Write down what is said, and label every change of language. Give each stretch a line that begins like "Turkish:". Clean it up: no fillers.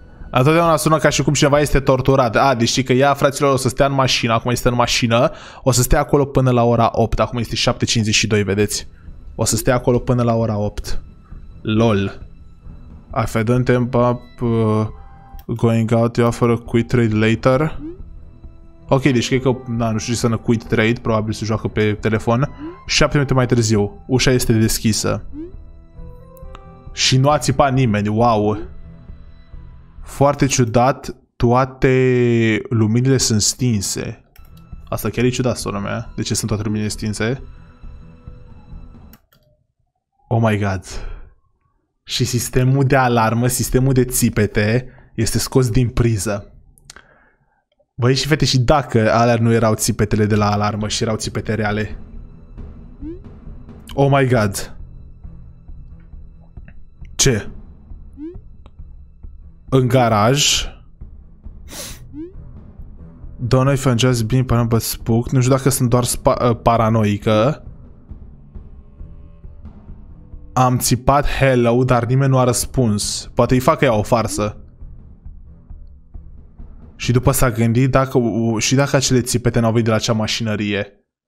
Romanian: Întotdeauna sună ca și cum cineva este torturat. Deci că ea, fraților, o să stea în mașină. Acum este în mașină. O să stea acolo până la ora 8. Acum este 7.52, vedeți? O să stea acolo până la ora 8. LOL.
English: If I don't end up going out, you offer a quit trade later.
Romanian: Ok, deci cred că, da, nu știu ce înseamnă quit trade, probabil se joacă pe telefon. 7 minute mai târziu, ușa este deschisă. Și nu a țipat nimeni, wow. Foarte ciudat, toate luminile sunt stinse. Asta chiar e ciudat, sora mea, de ce sunt toate luminile stinse?
English: Oh my god.
Romanian: Și sistemul de alarmă, sistemul de țipete, este scos din priză. Băi și fete, și dacă alea nu erau țipetele de la alarmă și erau țipete reale?
English: Oh my god!
Romanian: Ce? În garaj?
English: Don't know if I'm just being paranoid but spooked.
Romanian: Nu știu dacă sunt doar paranoică. Am țipat hello, dar nimeni nu a răspuns. Poate îi fac ea o farsă. Și după s-a gândit dacă, și dacă acele țipete n-au venit de la acea mașinărie.